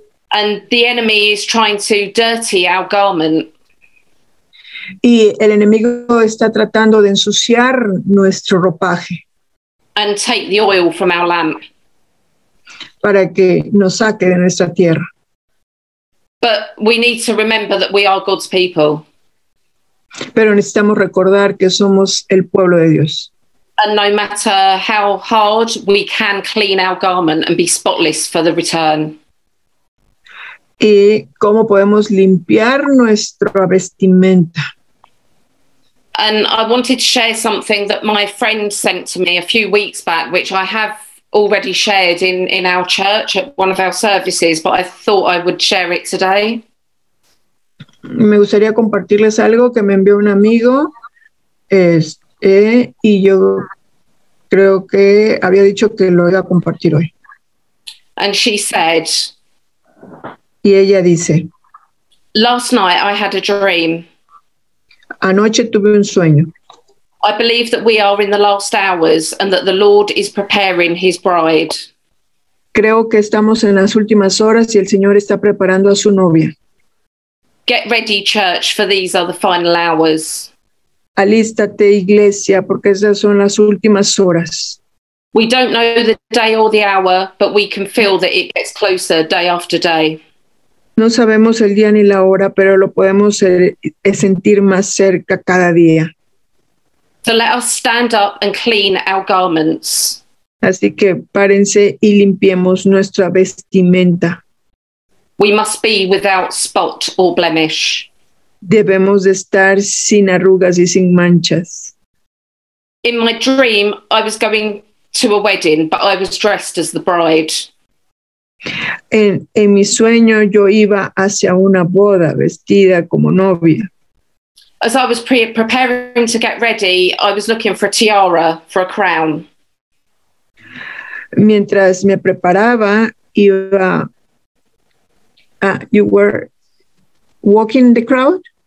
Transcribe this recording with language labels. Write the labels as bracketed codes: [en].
[en] And the enemy is trying to dirty our garment. [es] Y el enemigo está tratando de ensuciar nuestro ropaje. [en] And take the oil from our lamp. [es] Para que nos saque de nuestra tierra. [en] But we need to remember that we are God's people. [es] Pero necesitamos recordar que somos el pueblo de Dios. [en] And no matter how hard, we can clean our garment and be spotless for the return. [es] Y cómo podemos limpiar nuestra vestimenta. [en] And I wanted to share something that my friend sent to me a few weeks back, which I have already shared in our church at one of our services, but I thought I would share it today. [es] Me gustaría compartirles algo que me envió un amigo, y yo creo que había dicho que lo iba a compartir hoy. [en] And she said, [es] y ella dice, [en] last night I had a dream. [es] Anoche tuve un sueño. [en] I believe that we are in the last hours and that the Lord is preparing his bride. [es] Creo que estamos en las últimas horas y el Señor está preparando a su novia. [en] Get ready, church, for these are the final hours. [es] Alístate, iglesia, porque esas son las últimas horas. [en] We don't know the day or the hour, but we can feel that it gets closer day after day. [es] No sabemos el día ni la hora, pero lo podemos sentir más cerca cada día. [en] So let us stand up and clean our garments. [es] Así que párense y limpiemos nuestra vestimenta. [en] We must be without spot or blemish. [es] Debemos de estar sin arrugas y sin manchas. [en] In my dream, I was going to a wedding, but I was dressed as the bride. [es] En mi sueño, yo iba hacia una boda vestida como novia. [en] As I was preparing to get ready, I was looking for a tiara, for a crown. [es] Mientras me preparaba, iba... [en] you were walking the crowd?